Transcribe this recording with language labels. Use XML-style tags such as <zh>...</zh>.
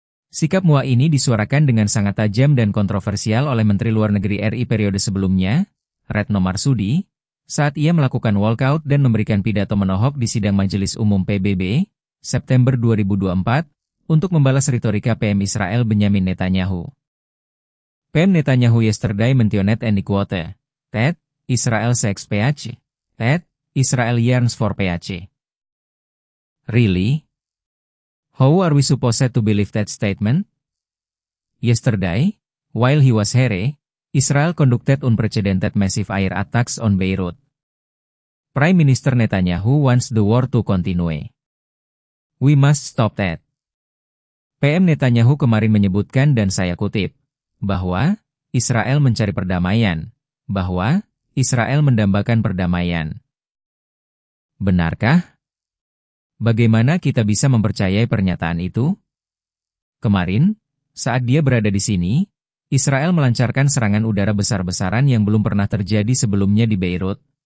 <id>Sikap muak ini disuarakan dengan sangat tajam dan kontroversial oleh Menteri Luar Negeri RI periode sebelumnya, Retno Marsudi, saat ia melakukan walkout dan memberikan pidato menohok di Sidang Majelis Umum PBB, September 2024, untuk membalas retorika PM Israel Benjamin Netanyahu.</id> <en>PM Netanyahu yesterday mentioned any quote, that Israel seeks peace, that Israel yearns for peace. Really? How are we supposed to believe that statement? Yesterday, while he was here, Israel conducted unprecedented massive air attacks on Beirut. Prime Minister Netanyahu wants the war to continue. We must stop that.</en> <id>PM Netanyahu kemarin menyebutkan dan saya kutip, bahwa Israel mencari perdamaian, bahwa Israel mendambakan perdamaian. Benarkah? Bagaimana kita bisa mempercayai pernyataan itu? Kemarin, saat dia berada di sini, Israel melancarkan serangan udara besar-besaran yang belum pernah terjadi sebelumnya di Beirut.</id>